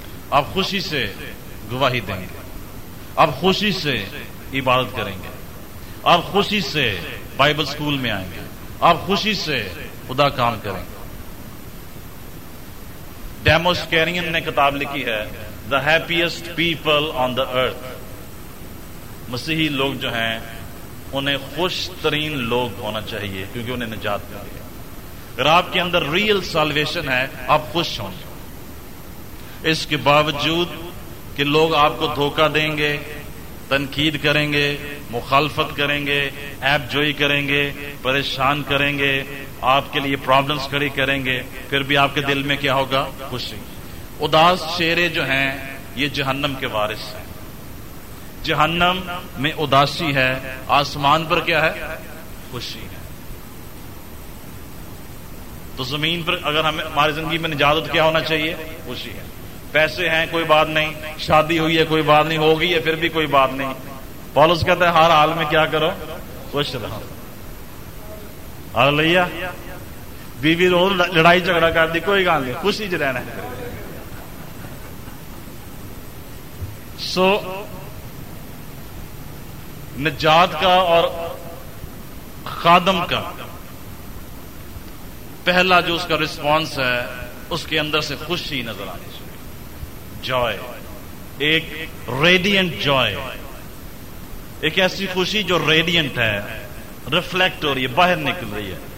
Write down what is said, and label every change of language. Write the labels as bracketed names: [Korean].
[Urdu] آپ خوشی سے گواہی دیں گے, آپ خوشی سے عبادت کریں گے, آپ خوشی سے بائبل سکول میں آئیں گے, آپ خوشی سے خدا کام کریں گے. ڈیموس کیرین نے کتاب لکھی ہے [English] the happiest people on the earth. [Urdu] مسیحی لوگ جو ہیں انہیں خوش ترین لوگ ہونا چاہیے کیونکہ انہیں نجات مل گئی. اگر آپ کے اندر ریئل سالویشن ہے آپ خوش ہوں گے. اس کے باوجود کہ لوگ آپ کو دھوکہ دیں گے, تنقید کریں گے, مخالفت کریں گے, ایپ جوئی کریں گے, پریشان کریں گے, آپ کے لیے پرابلمس کھڑی کریں گے, پھر بھی آپ کے دل میں کیا ہوگا؟ خوشی. اداس شیرے جو ہیں یہ جہنم کے وارث ہیں. جہنم میں اداسی ہے, آسمان پر کیا ہے؟ خوشی ہے. تو زمین پر اگر ہماری زندگی میں نجات کیا ہونا چاہیے؟ خوشی ہے. پیسے ہیں کوئی بات نہیں, شادی ہوئی ہے کوئی بات نہیں, ہو گئی ہے پھر بھی کوئی بات نہیں. پولس کہتا ہے ہر حال میں کیا کرو؟ خوش رہو. [Punjabi] لیا بیوی روز لڑائی جھگڑا کر دی کوئی گال نہیں, خوشی چ رہنا. [Urdu] سو نجات کا اور خادم کا پہلا جو اس کا رسپانس ہے اس کے اندر سے خوشی نظر آنی چاہیے, جوائے, ایک ریڈینٹ جوائے, ایک ایسی خوشی جو ریڈینٹ ہے, ریفلیکٹ ہو رہی ہے, باہر نکل رہی ہے.